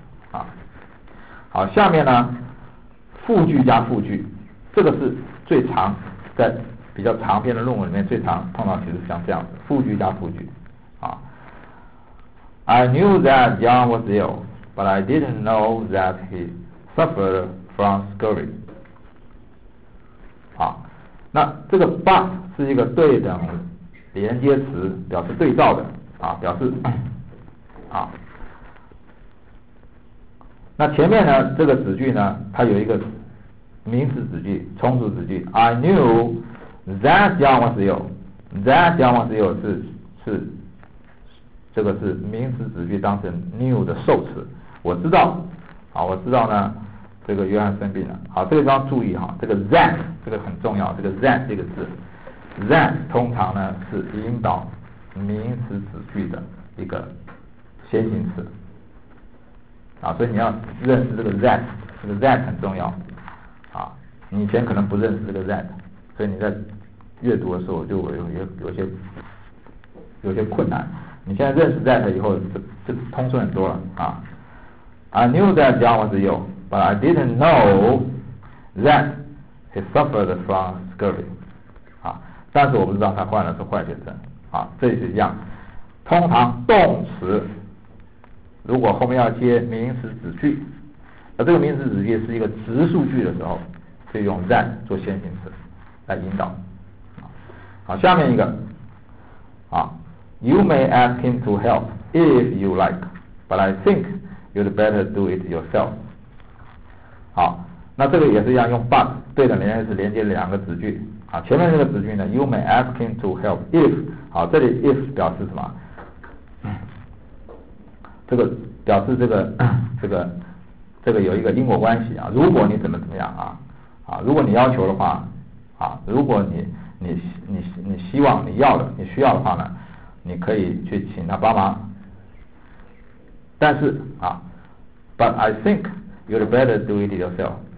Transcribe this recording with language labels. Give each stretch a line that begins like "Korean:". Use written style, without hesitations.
Chinese: 啊，好，下面呢，复句加复句，这个是最常在。比较长篇的论文里面最常碰到其实像这样子复句加复句啊。
English: I knew that John was ill, but I didn't know that he suffered from scurvy.
Chinese: 啊，那这个 but 是一个对等连接词，表示对照的啊，表示啊。那前面呢这个子句呢，它有一个名词子句，从属子句 ，
English: I knew。 That John was ill，
Chinese: That John was ill 是这个是名词子句当成 knew 的受词。我知道，好，我知道呢，这个约翰生病了。好，这个地方注意哈，这个 that 这个很重要，这个 that 这个字 ，that 通常呢是引导名词子句的一个先行词。啊，所以你要认识这个 that， 这个 that 很重要。啊，你以前可能不认识这个 that。所以你在阅读的时候就有些困难，你现在认识 that 以后就通顺很多了啊。
English: I knew that John was ill, but I didn't know that he suffered from scurvy.
Chinese: 啊，但是我不知道他患的是坏血症啊。这也是一样，通常动词如果后面要接名词子句，而这个名词子句是一个直述句的时候，就用 that 做先行词。来引导。好，下面一个啊
English: ，You may ask him to help if you like, but I think you'd better do it yourself。
Chinese: 好，那这个也是一样，用 but 对等连接词连接两个子句啊。前面这个子句呢 ，
English: You may ask him to help if，
Chinese: 好，这里 if 表示什么？这个表示这个有一个因果关系啊。如果你怎么怎么样啊，啊，如果你要求的话。啊，如果你希望你要的你需要的话呢，你可以去请他帮忙。但是啊
English: ，But I think you'd better do it yourself。